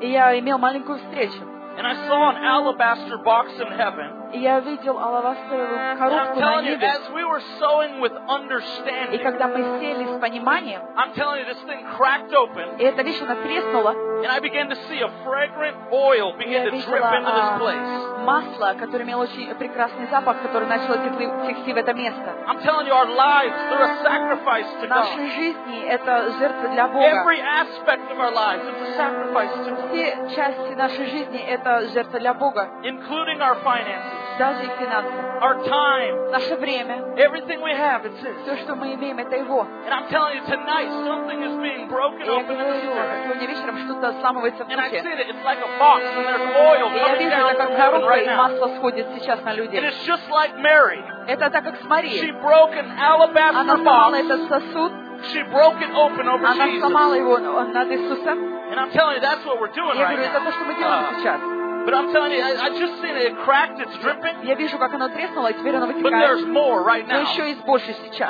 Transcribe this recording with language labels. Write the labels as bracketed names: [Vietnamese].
[Russian] И я имел маленькую встречу. [English] And I saw an alabaster box in heaven. [Russian] я видел алавастровую коробку на небе. [English] As we were sowing with understanding, [Russian] и когда мы сели с пониманием, [English] I'm telling you, this thing cracked open, [Russian] и эта вещь, она треснула, [English] and I began to see a fragrant oil begin to drip into this place. [Russian] Масло, которое имело очень прекрасный запах, которое начало текти в это место. [English] I'm telling you, our lives, they're a sacrifice to God. [Russian] Наши жизни — это жертва для Бога. [English] Every aspect of our lives, it's a sacrifice to God. [Russian] Все части нашей жизни — это жертва для Бога. [English] Including our finances. [Russian] Даже их финансы. [English] Our time. [Russian] Наше время. [English] Everything we have, it's His. [Russian] Все, что мы имеем, — это Его. [English] And I'm telling you, tonight, something is being broken open in the church. [Russian] Сегодня вечером что-то сломывается в духе. [English] And I see that it's like a box, and there's oil coming down from heaven. [Russian] И масло сходит сейчас на людей. Это так, как с Марией. Она сломала этот сосуд. Она сломала его над Иисусом. Я говорю, это то, что мы делаем сейчас. [English] But I'm telling you, I just seen it, it cracked, it's dripping. [Russian] Я вижу, как оно треснуло, и теперь оно вытекает. [English] But there's more right now. [Russian] Но еще есть больше сейчас.